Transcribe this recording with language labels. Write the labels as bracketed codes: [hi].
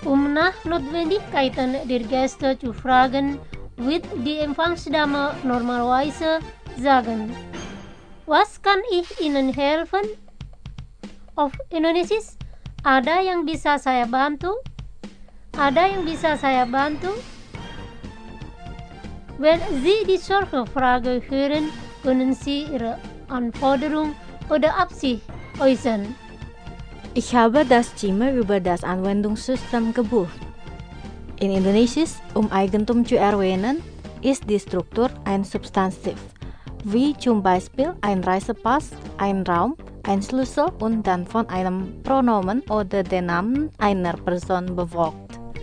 [de] Nach Notwendigkeiten der Gäste zu fragen, wird die Empfangsdame normalerweise sagen: Was kann ich Ihnen helfen? Auf Indonesisch: [id] Ada yang bisa saya bantu? Ada yang bisa saya bantu? [de] Wenn Sie die solche Frage hören, können Sie Ihre Anforderung oder Absicht äußern. Ich habe das Zimmer über das Anwendungssystem gebucht. In Indonesisch, Eigentum zu erwähnen, ist die Struktur ein Substantiv, wie zum Beispiel ein Reisepass, ein Raum, ein Schlüssel und dann von einem Pronomen oder den Namen einer Person bewogt.